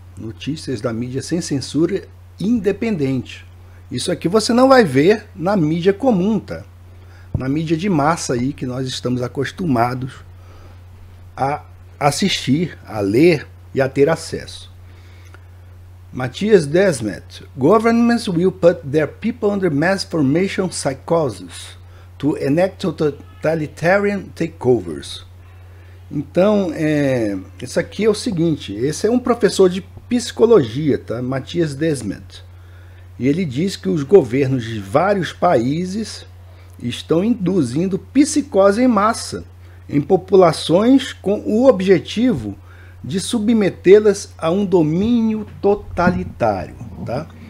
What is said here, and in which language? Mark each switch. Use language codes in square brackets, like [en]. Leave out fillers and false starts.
[pt] Notícias da mídia sem censura independente. Isso aqui você não vai ver na mídia comum, tá? Na mídia de massa aí que nós estamos acostumados a assistir, a ler e a ter acesso. [en] Matthias Desmet: Governments will put their people under mass formation psychosis to enact totalitarian takeovers. [pt] Então, isso aqui é o seguinte: esse é um professor de psicologia, tá? Matthias Desmet. E ele diz que os governos de vários países estão induzindo psicose em massa em populações com o objetivo de submetê-las a um domínio totalitário, tá?